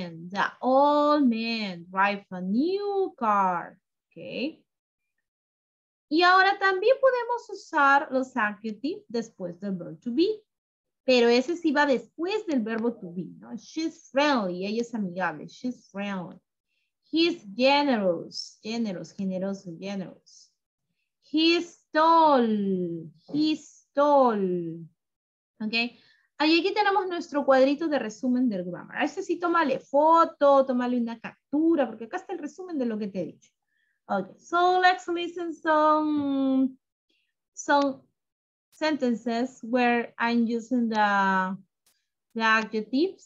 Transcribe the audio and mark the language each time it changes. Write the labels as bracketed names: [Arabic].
[English] The old man drive a new car, okay? [Spanish] Y ahora también podemos usar los adjetivos después del verb to be. Pero ese sí va después del verbo to be, ¿no? [English] She's friendly, [Spanish] ella es amigable, [English] she's friendly. He's generous, generous, generoso, generous. He's tall, ¿ok? [Spanish] Ahí aquí tenemos nuestro cuadrito de resumen del grammar. Ese sí, tómale foto, tómale una captura, porque acá está el resumen de lo que te he dicho. [English] Ok, so let's listen some sentences where I'm using the adjective.